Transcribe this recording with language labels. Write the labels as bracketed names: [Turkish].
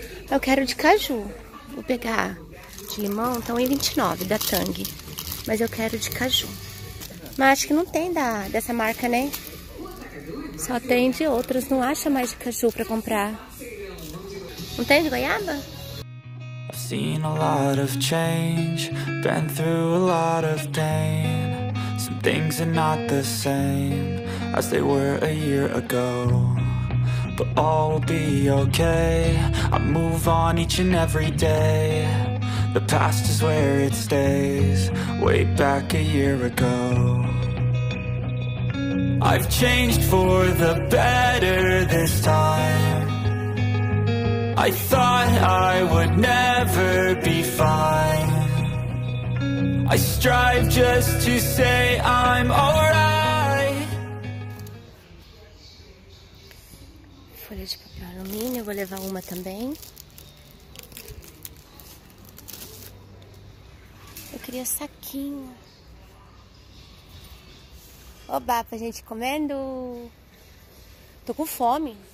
[Portuguese] Eu quero de caju. Vou pegar de limão. Tá R$1,29 da Tang. Mas eu quero de caju. Mas acho que não tem dessa marca, né? Só tem de outros, não acha mais de caju pra comprar. Não tem de goiaba? [English] I've seen a lot of change, been through a lot of pain. Some things are not the same as they were a year ago. But all will be okay. I move on each and every day. The past is where it stays, way back a year ago. I've changed for the better this time. I thought I would never be fine. I strive just to say I'm alright. [Portuguese] Folha de papel alumínio, vou levar uma também. Eu queria saquinho. Oba, pra gente comendo. Tô com fome.